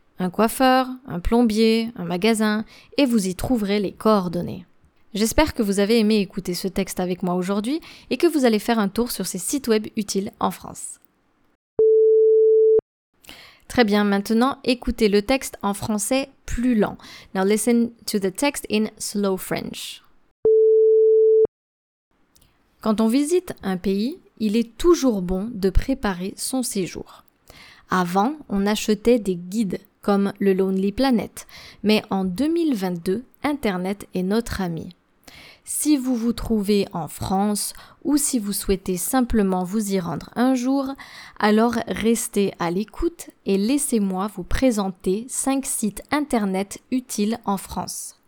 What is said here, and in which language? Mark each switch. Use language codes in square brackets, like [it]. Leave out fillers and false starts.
[fr] Un coiffeur, un plombier, un magasin, et vous y trouverez les coordonnées. J'espère que vous avez aimé écouter ce texte avec moi aujourd'hui et que vous allez faire un tour sur ces sites web utiles en France. Très bien, maintenant, écoutez le texte en français plus lent. [en] Now listen to the text in slow French. [fr] Quand on visite un pays, il est toujours bon de préparer son séjour. Avant, on achetait des guides comme le Lonely Planet, mais en 2022, Internet est notre ami. Si vous vous trouvez en France ou si vous souhaitez simplement vous y rendre un jour, alors restez à l'écoute et laissez-moi vous présenter 5 sites internet utiles en France.